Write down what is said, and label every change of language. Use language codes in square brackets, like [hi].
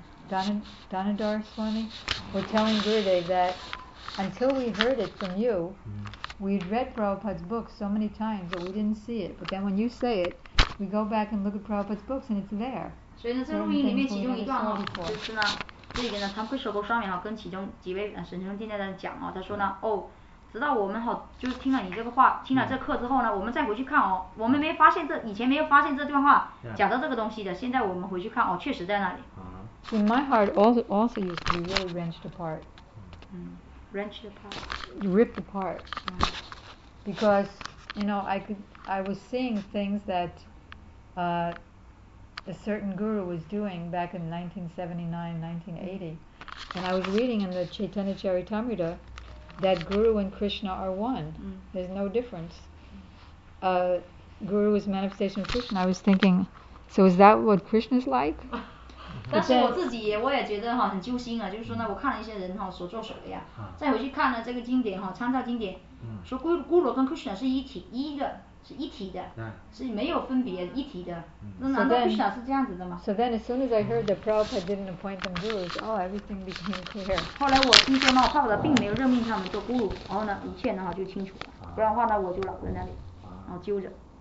[en] Dhanadhar Swami were telling Gurudev that until we heard it from you, we'd read Prabhupada's books so many times that we didn't see it. But then when you say it, we go back and look at Prabhupada's books and it's there. So, in this recording, there's one part, which is, this is Tham Krishna Goswami, and with some of the [zh] 直到我们好就是听了你这个话，听了这课之后呢，我们再回去看哦，我们没发现这以前没有发现这段话讲到这个东西的，现在我们回去看哦，确实在那里。 [en] So my heart also used to be really wrenched apart. Wrenched apart. Ripped apart. Because you know I was seeing things that a certain guru was doing back in 1979-1980, and I was reading in the Chaitanya Charitamrita that Guru and Krishna are one. There's no difference. Guru is manifestation of Krishna. I was thinking, so is that what Krishna's like? [zh] 但是我自己也我也觉得哈很揪心啊，就是说呢，我看了一些人哈所作所为啊，再回去看了这个经典哈，参照经典，说Guru跟 Krishna 是一体，一个是一体的，是没有分别一体的。那难道 Krishna 是这样子的吗 [en] ？So then, as soon as I heard that Prabhupada didn't appoint them gurus, oh, everything became clear. [zh] 后来我听说呢，爸爸的并没有任命他们做 Guru， 然后呢，一切呢就清楚了，不然的话呢，我就老在那里，然后揪着。